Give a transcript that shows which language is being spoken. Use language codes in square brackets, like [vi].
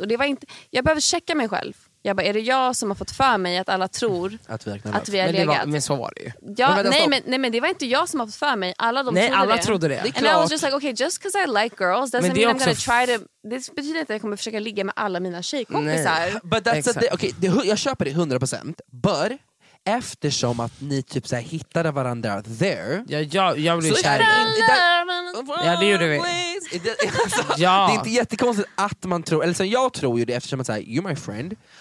[sv] Och det var inte, jag behöver checka mig själv. Jag bara, är det jag som har fått för mig att alla tror att vi har legat? Men så var det ju. Men det var inte jag som har fått för mig. Alla de trodde det. [en] And I was just like, okay, just because I like girls doesn't mean I'm gonna try to... [sv] Det betyder inte att jag kommer försöka ligga med alla mina tjejkompisar. [en] But that's [sv] jag köper det 100%. But eftersom att ni typ så här hittade varandra there. Jag blev kär. Det gjorde vi. Det är inte jättekonstigt att man tror. Eller så jag tror ju det eftersom att säga, [en] you're my friend.